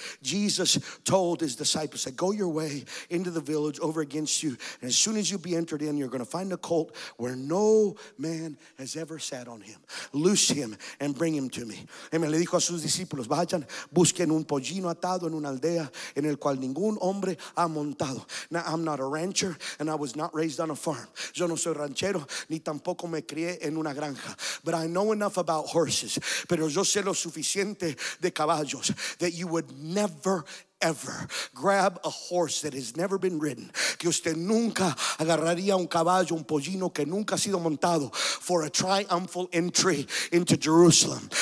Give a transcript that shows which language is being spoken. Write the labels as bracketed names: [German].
[English] Jesus told his disciples, "Go your way into the village over against you. And as soon as you be entered in, you're going to find a colt where no man has ever sat on him. Loose him and bring him to me." Amen. [Spanish] Le dijo a sus discípulos, vayan, busquen un pollino atado en una aldea en el cual ningún hombre ha montado. [English] Now, I'm not a rancher, and I was not raised on a farm. [Spanish] Yo no soy ranchero, ni tampoco me crié en una granja. [English] But I know enough about horses. [Spanish] Pero yo sé lo suficiente de caballos [English] that you would never ever grab a horse that has never been ridden. [Spanish] Que usted nunca agarraría un caballo, un pollino que nunca ha sido montado [English] for a triumphal entry into Jerusalem.